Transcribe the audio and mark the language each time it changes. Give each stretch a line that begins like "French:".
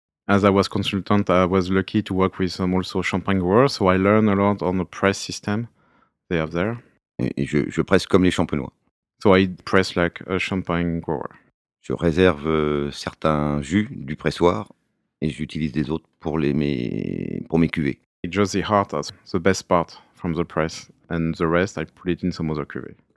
English: As I was consultant, I was lucky to work with some also champagne growers, so I learned a lot on the press system they have there.
French: Et je presse comme les champenois.
English: So I press like a champagne grower.
French: Je réserve certains jus du pressoir et j'utilise des autres pour mes cuvées.
English: It's just the heart, that's the best part from the press, and the rest I put it in some other cuvée.